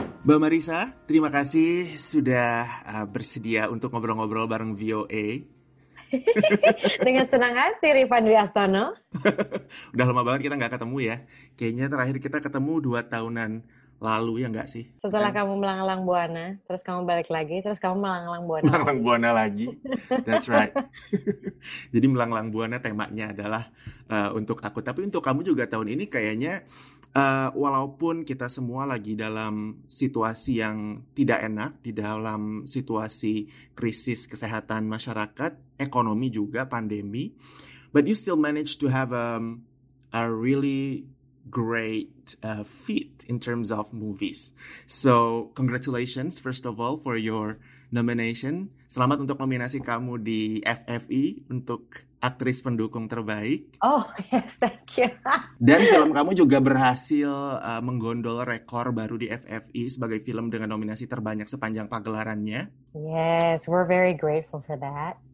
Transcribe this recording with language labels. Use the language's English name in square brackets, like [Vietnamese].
[Indonesian] Mbak Marisa, terima kasih sudah bersedia untuk ngobrol-ngobrol bareng VOA. Dengan senang hati, Rifan Dwi Astono. Udah lama banget kita gak ketemu ya. Kayaknya terakhir kita ketemu 2 tahunan lalu ya gak sih? Setelah kamu melanglang buana, terus kamu balik lagi, terus kamu melanglang buana. Melanglang buana lagi, [English] that's right. [Indonesian] Jadi melanglang buana temanya adalah untuk aku. Tapi untuk kamu juga tahun ini kayaknya walaupun kita semua lagi dalam situasi yang tidak enak, di dalam situasi krisis kesehatan masyarakat, ekonomi juga, pandemi, [English] but you still manage to have a really great feat in terms of movies. So, congratulations first of all for your nomination. [Indonesian] Selamat untuk nominasi kamu di FFI untuk aktris pendukung terbaik. [English] Oh, yes, thank you. [Indonesian] Dan film kamu juga berhasil menggondol rekor baru di FFI sebagai film dengan nominasi terbanyak sepanjang pagelarannya. [English] Yes, we're very grateful for that.